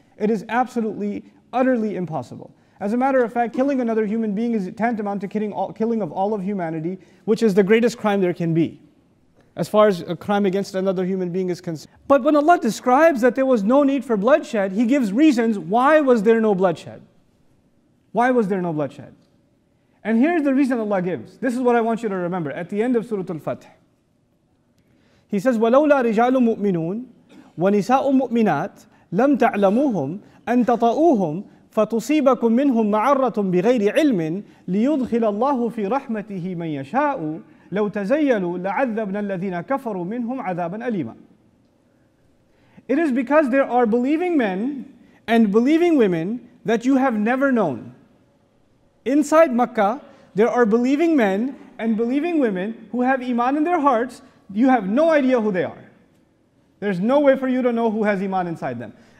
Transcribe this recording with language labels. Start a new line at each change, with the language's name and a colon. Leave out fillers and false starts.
English: It is absolutely, utterly impossible. As a matter of fact, killing another human being is tantamount to killing of all of humanity, which is the greatest crime there can be, as far as a crime against another human being is concerned. But when Allah describes that there was no need for bloodshed, He gives reasons why was there no bloodshed. Why was there no bloodshed? And here's the reason Allah gives. This is what I want you to remember. At the end of Surah Al-Fatih, He says,
Arabic: وَلَوْلَا رِجَالٌ مُؤْمِنُونَ وَنِسَاءٌ مُؤْمِنَاتٌ لَمْ تَعْلَمُوهُمْ أَنْ تَطَأُوهُمْ فَتُصِيبَكُمْ مِنْهُمْ مَعَرَّةٌ بِغَيْرِ عِلْمٍ لِيُدْخِلَ اللَّهُ فِي رَحْمَتِهِ مَنْ يَشَاءُ لَوْ تَزَيَّلُوا لَعَذَّبْنَا الَّذِينَ كَفَرُوا مِنْهُمْ عَذَابًا أَلِيمًا.
English: It is because there are believing men and believing women that you have never known. Inside Makkah, there are believing men and believing women who have iman in their hearts. You have no idea who they are. There's no way for you to know who has iman inside them.